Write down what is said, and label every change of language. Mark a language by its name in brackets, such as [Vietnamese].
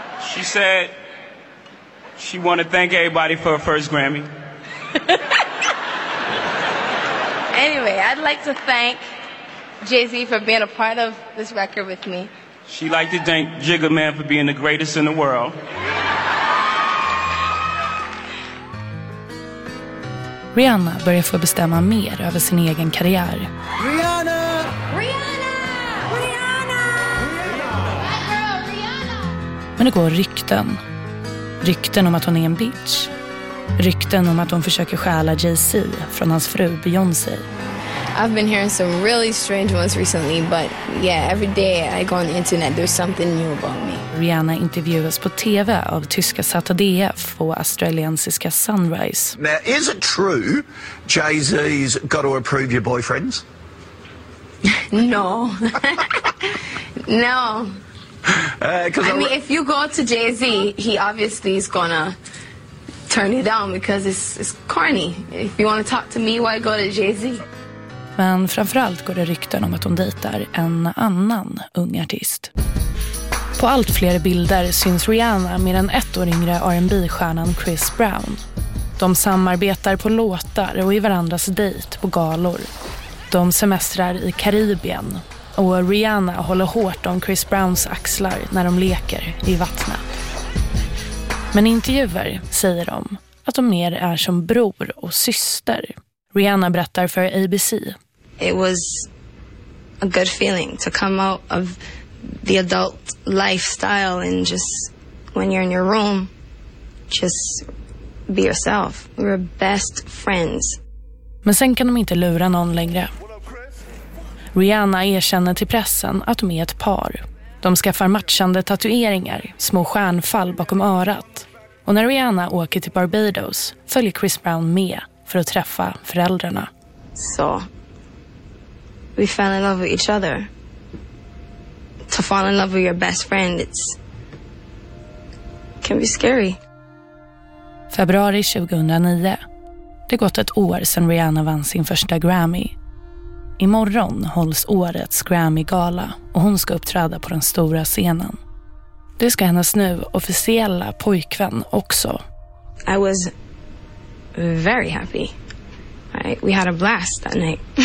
[English] She said she wanted to thank everybody for her first Grammy. Anyway, I'd like to thank Jay-Z for being a part of this record with me. She'd like to thank Jigga Man for being the greatest in the world. [Swedish] Rihanna börjar få bestämma mer över sin egen karriär. Rihanna! Rihanna! Rihanna! [English] Bad girl, Rihanna! [Swedish] Men det går rykten. Rykten om att hon är en bitch. Rykten om att hon försöker stjäla Jay-Z från hans fru Beyoncé. [English] I've been hearing some really strange ones recently, but yeah, every day I go on the internet, there's something new about me. [Swedish] Rihanna intervjuas på TV av tyska Sat och DF och australiensiska Sunrise. [English] Now, is it true Jay-Z's got to approve your boyfriends? No. No. I mean, if you go to Jay-Z, he obviously is gonna turn you down because it's corny. If you want to talk to me, why go to Jay-Z? [Swedish] Men framförallt går det rykten om att hon dejtar en annan ung artist. På allt fler bilder syns Rihanna med den 1 år yngre R&B-stjärnan Chris Brown. De samarbetar på låtar och i varandras dejt på galor. De semestrar i Karibien. Och Rihanna håller hårt om Chris Browns axlar när de leker i vattnet. Men i intervjuer säger de att de mer är som bror och syster. Rihanna berättar för ABC. [English] It was a good feeling to come out of the adult lifestyle and just when you're in your room, just be yourself. We were best friends. [Swedish] Men sen kan de inte lura någon längre. Rihanna erkänner till pressen att de är ett par. De skaffar matchande tatueringar, små stjärnfall bakom örat. Och när Rihanna åker till Barbados följer Chris Brown med för att träffa föräldrarna. [English] Så we fell in love with each other. To fall in love with your best friend, it's can be scary. [Swedish] Februari 2009. Det gått ett år sedan Rihanna vann sin första Grammy. Imorgon hålls årets Grammy-gala och hon ska uppträda på den stora scenen. Det ska hennes nu officiella pojkvän också. [English] I was very happy. We had a blast that night.